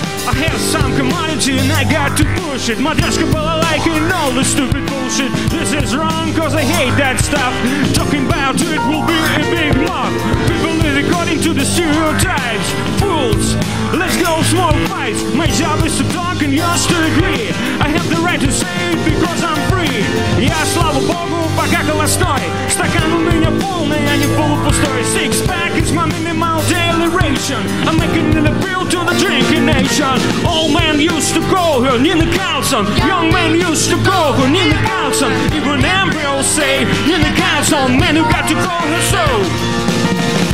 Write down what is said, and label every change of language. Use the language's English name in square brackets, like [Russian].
[English] I got to push it. [Russian] Мадрешка была лайкин' [English] all the stupid bullshit. This is wrong, cause I hate that stuff. Talking about it will be a big block. People live according to the stereotypes. Fools, let's go smoke pipes. My job is to talk and yours to agree. I have the right to say it because I'm free. [Russian] Я, слава богу, пока холостой. Стакан у меня полный, а не полупустой. [English] Six pack is my minimal daily ration. I'm making an appeal to the drinking nation. Old man used to call her Nina Carlson. Young man used to call her Nina Carlson. Even embryos say Nina Carlson. Man, you got to call her so.